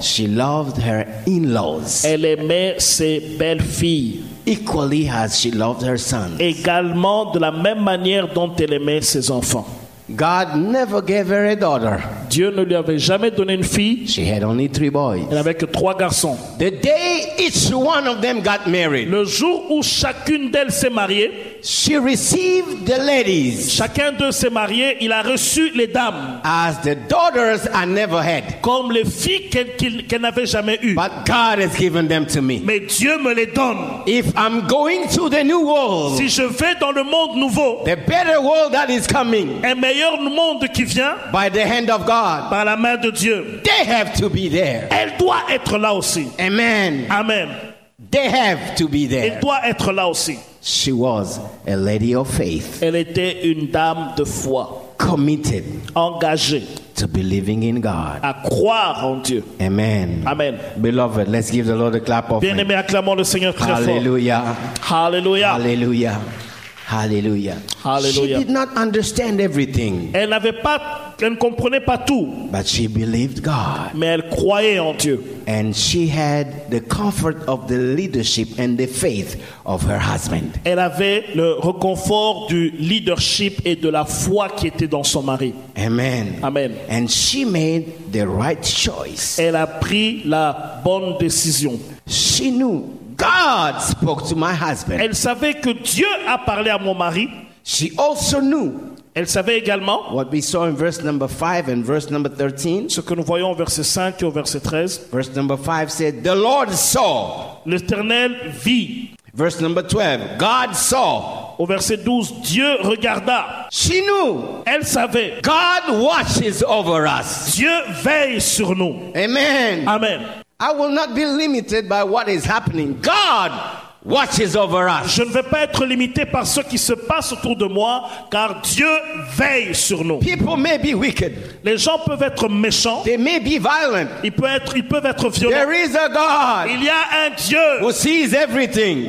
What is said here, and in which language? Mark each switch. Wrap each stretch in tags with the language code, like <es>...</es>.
<en>She loved her in-laws.</en> <fr>Elle aimait ses belles-filles.</fr> <en>Equally as she loved her sons.</en> <fr>Également de la même manière dont elle aimait ses enfants.</fr> <en>God never gave her a daughter.</en> <fr>Dieu ne lui avait jamais donné une fille.</fr> <en>She had only three boys.</en> <fr>Elle n'avait que trois garçons.</fr> <en>The day each one of them got married.</en> <fr>Le jour où chacune d'elles s'est mariée.</fr> <en>She received the ladies.</en> <fr>Chacun d'eux s'est marié, il a reçu les dames.</fr> <en>As the daughters I never had.</en> <fr>Comme les filles qu'elle n'avait jamais eues.</fr> <en>But God has given them to me.</en> <fr>Mais Dieu me les donne.</fr> <en>If I'm going to the new world.</en> <fr>Si je vais dans le monde nouveau.</fr> <en>The better world that is coming.</en> <fr>Un meilleur monde qui vient.</fr> <en>By the hand of God.</en> <fr>Par la main de Dieu.</fr> <en>They have to be there.</en> <fr>Elle doit être là aussi.</fr> <en>Amen.</en> <fr>Amen.</fr> <en>They have to be there.</en> <fr>Elle doit être là aussi.</fr> <en>She was a lady of faith.</en> <fr>Elle était une dame de foi.</fr> <en>Committed.</en> <fr>Engagée.</fr> <en>To believing in God.</en> <fr>À croire en Dieu.</fr> <en>Amen.</en> <fr>Amen.</fr> <en>Beloved, let's give the Lord a clap of</en> <fr>hands. Bien-aimés, acclamons le Seigneur très fort.</fr> <en>Hallelujah.</en> <fr>Hallelujah.</fr> <en>Hallelujah. Hallelujah.</en> <fr>Hallelujah.</fr> <en>She did not understand everything.</en> <fr>Elle n'avait pas, elle ne comprenait pas tout.</fr> <en>But she believed God.</en> <fr>Mais elle croyait en Dieu.</fr> <en>And she had the comfort of the leadership and the faith of her husband.</en> <fr>Elle avait le réconfort du leadership et de la foi qui était dans son mari.</fr> <en>Amen.</en> <fr>Amen.</fr> <en>And she made the right choice.</en> <fr>Elle a pris la bonne décision.</fr> <en>She knew God spoke to my husband.</en> <fr>Elle savait que Dieu a parlé à mon mari.</fr> <en>She also knew.</en> <fr>Elle savait également.</fr> <en>What we saw in verse number 5 and verse number 13.</en> <fr>Ce que nous voyons au verset 5 et au verset 13.</fr> <en>Verse number 5 said, the Lord saw.</en> <fr>L'Éternel vit.</fr> <en>Verse number 12, God saw.</en> <fr>Au verset 12, Dieu regarda.</fr> <en>She knew.</en> <fr>Elle savait.</fr> <en>God watches over us.</en> <fr>Dieu veille sur nous.</fr> <en>Amen.</en> <fr>Amen.</fr> <en>I will not be limited by what is happening. God watches over us.</en> <fr>Je ne vais pas être limité par ce qui se passe autour de moi, car Dieu veille sur nous.</fr> <en>People may be wicked.</en> <fr>Les gens peuvent être méchants.</fr> <en>They may be violent.</en> <fr>Ils peuvent être violents.</fr> <en>There is a God.</en> <fr>Il y a un Dieu.</fr> <en>Who sees everything.</en>